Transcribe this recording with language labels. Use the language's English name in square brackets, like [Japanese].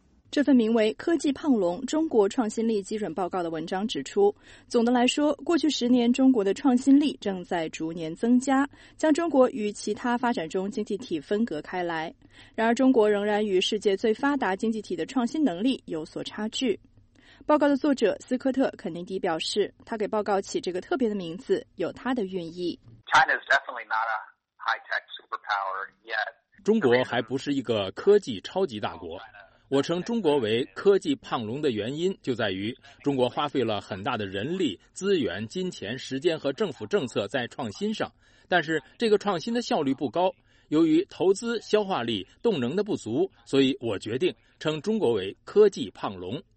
[Chinese] 这份名为《科技胖龙：中国创新力基准报告》的文章指出，总的来说，过去十年中国的创新力正在逐年增加，将中国与其他发展中经济体分隔开来。然而，中国仍然与世界最发达经济体的创新能力有所差距。报告的作者斯科特·肯尼迪表示，他给报告起这个特别的名字有他的寓意。 [English] China is definitely not a high-tech superpower yet. [Chinese] 中国还不是一个科技超级大国。我称中国为科技胖龙的原因就在于中国花费了很大的人力、资源、金钱、时间和政府政策在创新上，但是这个创新的效率不高，由于投资、消化力、动能的不足，所以我决定称中国为科技胖龙。